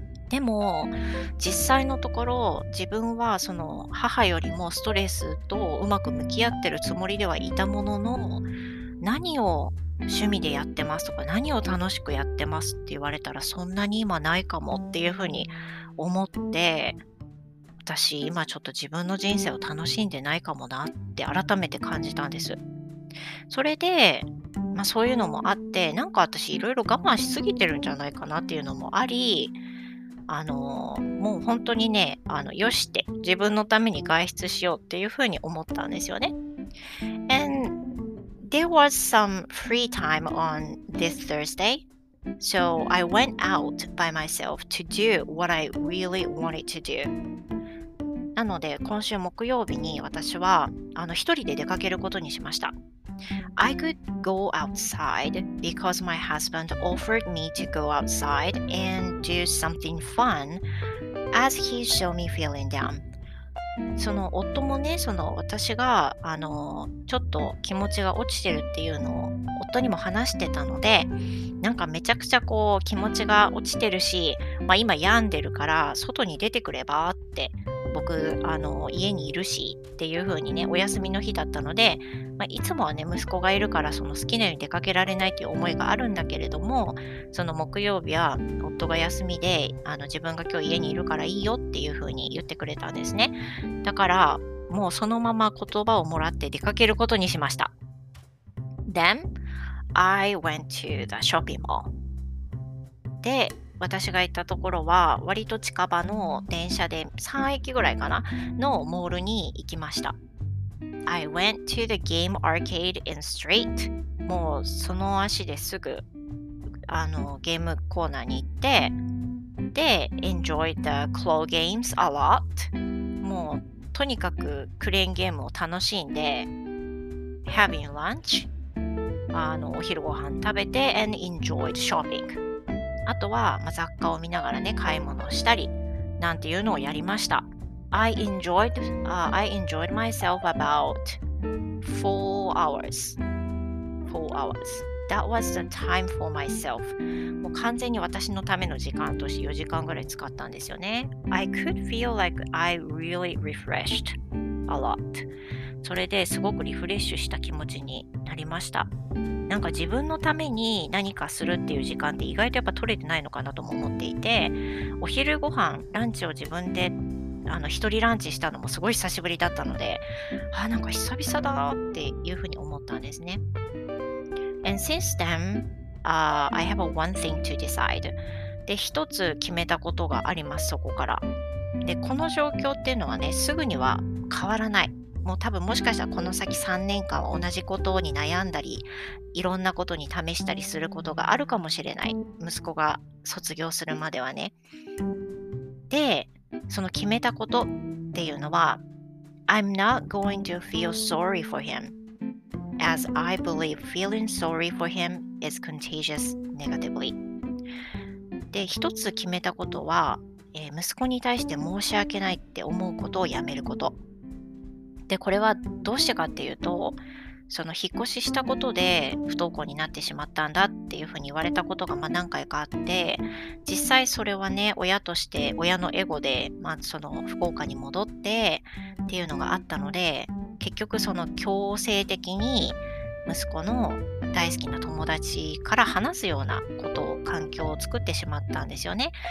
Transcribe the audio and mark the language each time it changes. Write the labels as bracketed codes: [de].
[ja] でも実際のところ自分はその母よりもストレスとうまく向き合ってるつもりではいたものの、何を趣味でやってますとか何を楽しくやってますって言われたらそんなに今ないかもっていうふうに思って、私今ちょっと自分の人生を楽しんでないかもなって改めて感じたんです。それで、まあ、そういうのもあって、なんか私いろいろ我慢しすぎてるんじゃないかなっていうのもあり、もう本当にね、よしって自分のために外出しようっていうふうに思ったんですよね。 [en] And there was some free time on this Thursday, so I went out by myself to do what I really wanted to do. [ja] なので今週木曜日に私は一人で出かけることにしました。 [en] I could go outside because my husband offered me to go outside and do something fun as he showed me feeling down. [ja] その夫もね、その私がちょっと気持ちが落ちてるっていうのを夫にも話してたので、なんかめちゃくちゃこう気持ちが落ちてるし、まあ、今病んでるから外に出てくればって。僕家にいるしっていう風にね、お休みの日だったので、まあ、いつもはね息子がいるからその好きなように出かけられないっていう思いがあるんだけれども、その木曜日は夫が休みで自分が今日家にいるからいいよっていう風に言ってくれたんですね。だからもうそのまま言葉をもらって出かけることにしました。 [en] Then I went to the shopping mall で [ja] 私が行ったところは割と近場の電車で3駅ぐらいかなのモールに行きました。 [en] I went to the game arcade in straight。 [ja] もうその足ですぐゲームコーナーに行って、で [en] enjoyed the claw games a lot。 [ja] もうとにかくクレーンゲームを楽しんで [en] having lunch、 [ja] お昼ご飯食べて [en] and enjoyed shopping。 [ja] あとは、雑貨を見ながらね、買い物をしたりなんていうのをやりました。 [en] I enjoyed myself about 4 hours. That was the time for myself. [ja] もう完全に私のための時間として4時間ぐらい使ったんですよね。 [en] I could feel like I really refreshed a lot. [ja] それですごくリフレッシュした気持ちになりました。なんか自分のために何かするっていう時間って意外とやっぱ取れてないのかなとも思っていて、お昼ご飯ランチを自分で一人ランチしたのもすごい久しぶりだったので、あ、なんか久々だなっていうふうに思ったんですね。 [en] And since then、I have one thing to decide。 [ja] で、一つ決めたことがあります、そこから。で、この状況っていうのはね、すぐには変わらない。もう多分もしかしたらこの先3年間は同じことに悩んだり、いろんなことに試したりすることがあるかもしれない、息子が卒業するまではね。で、その決めたことっていうのは、 [en] I'm not going to feel sorry for him, as I believe feeling sorry for him is contagious negatively。 [ja] で、一つ決めたことは、息子に対して申し訳ないって思うことをやめること。で、これはどうしてかっていうと、その引っ越ししたことで不登校になってしまったんだっていうふうに言われたことが何回かあって、実際それはね、親として親のエゴで、その福岡に戻ってっていうのがあったので、結局その強制的に息子の大好きな友達から話すようなことを環境を作ってしまったんですよね。